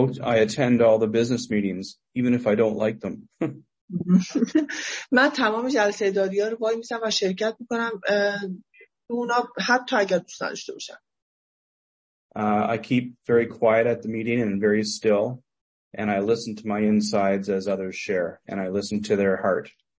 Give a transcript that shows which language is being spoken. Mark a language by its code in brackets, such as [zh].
[en] I attend all the business meetings, even if I don't like them. [fa] من تمام جلسه اداری‌ها رو وای می‌سم و شرکت می‌کنم. اونا حتی اگر دوست نداشته باشن. [en] I keep very quiet at the meeting and very still, and I listen to my insides as others share, and I listen to their heart.